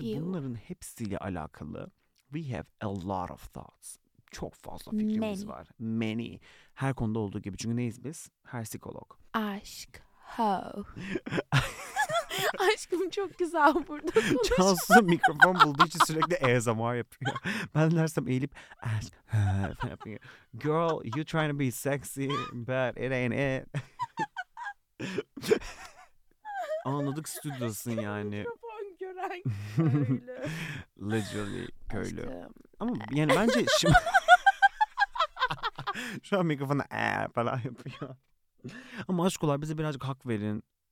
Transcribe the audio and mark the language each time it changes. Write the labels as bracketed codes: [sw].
[en] Ew. [tr] Bunların hepsiyle alakalı [en] we have a lot of thoughts. [tr] Çok fazla fikrimiz [en] Many. [tr] Var. Many. Her konuda olduğu gibi. Çünkü neyiz biz? Her psikolog. Aşk. Ho. Aşkım, çok güzel burada konuşuyor. Cansu mikrofon bulduğu için sürekli ASMR yapıyor. Ben dersem eğilip aşk. [en] Girl, you trying to be sexy, but it ain't it. [tr] Anladık, stüdyosun yani. Mikrofon gören köylü. Literally köylü. Aşkım. Ama yani bence şimdi... Şu an mikrofonu falan yapıyor. Ama aşkolar, bize birazcık hak verin.